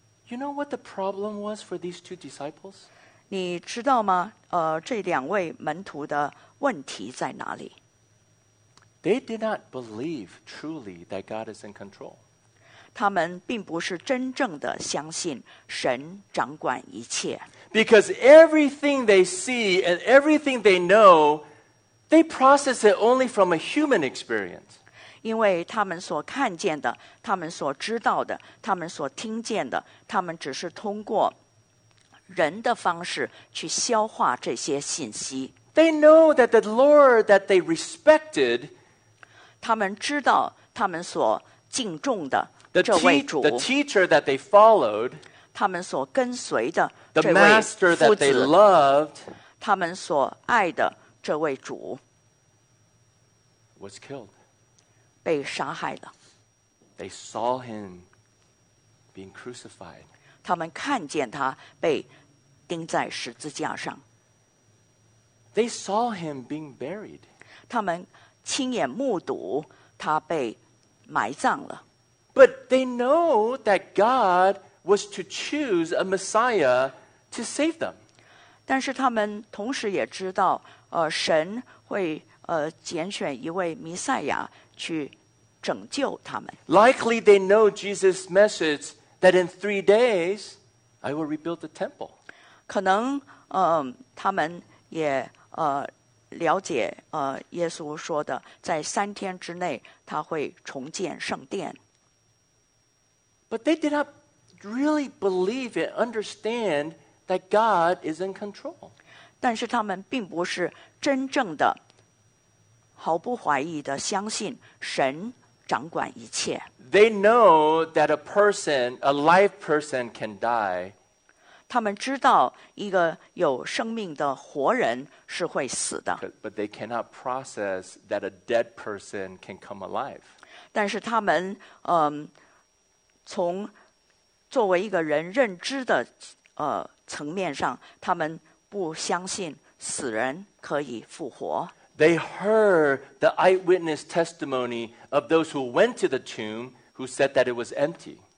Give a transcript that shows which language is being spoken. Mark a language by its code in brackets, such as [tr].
[en] You know what the problem was for these two disciples? [zh] 你知道吗？这两位门徒的问题在哪里？ [en] They did not believe truly that God is in control. [zh] 他们并不是真正的相信神掌管一切。 [en] Because everything they see and everything they know, they process it only from a human experience. [zh] 因为他们所看见的，他们所知道的，他们所听见的，他们只是通过人的方式去消化这些信息。 [en] They know that the Lord that they respected, [zh] 他们知道他们所敬重的这位主， [en] the teacher that they followed, [zh] 他们所跟随的这位父子， [en] the master that they loved, [zh] 他们所爱的这位主， [en] was killed, [zh] 被杀害了。 [en] They saw him being crucified, [zh] 他们看见他被钉在十字架上。 [en] They saw him being buried, [zh] 他们亲眼目睹他被埋葬了。 [en] But they know that God was to choose a Messiah to save them. [zh] 但是他们同时也知道神会拣选一位弥赛亚去拯救他们。 [en] Likely they know Jesus' message that in 3 days I will rebuild the temple. [zh] 可能他们也了解耶稣说的，在三天之内他会重建圣殿。 [en] But they did not really believe and understand that God is in control. [zh] 但是他们并不是真正的毫不怀疑的相信神掌管一切。 [en] They know that a person, a live person can die. [zh] 他们知道一个有生命的活人是会死的。 [en] But they cannot process that a dead person can come alive. [zh] 但是他们从作为一个人认知的层面上，他们不相信死人可以复活。 [en] They heard the eyewitness testimony of those who went to the tomb who said that it was empty.